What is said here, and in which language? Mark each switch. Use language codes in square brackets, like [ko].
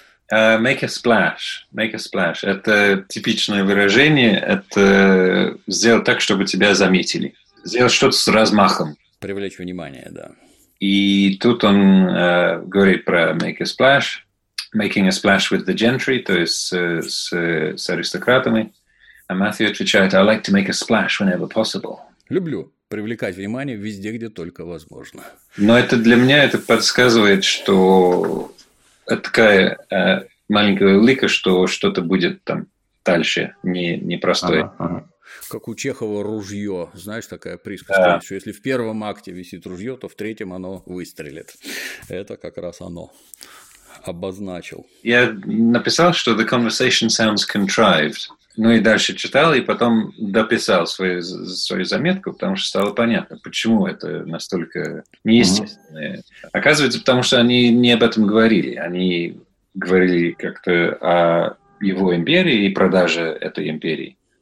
[en] Make a splash. [ru] Это типичное выражение. Это сделать так, чтобы тебя заметили. Сделать что-то с размахом. Привлечь внимание, да. И тут он говорит про [en] make a splash. making a splash with the gentry, [ru] то есть с аристократами. [en] And Matthew [ru] отвечает, [en] I like to make a splash whenever possible. [ru] Люблю привлекать внимание везде, где только возможно. Но это для меня это подсказывает, что это такая маленькая улика, что что-то будет там дальше непростое. Ага, ага. Как у Чехова ружье, знаешь, такая присказка, да. Что если в первом акте висит ружье, то в третьем оно выстрелит. Это как раз оно обозначил. Я написал, что [en] the conversation sounds contrived. [ru] Ну и дальше читал, и потом дописал свою заметку, потому что стало понятно, почему это настолько неестественно. Uh-huh. Оказывается, потому что они не об этом говорили. Они говорили как-то о его империи и продаже этой империи.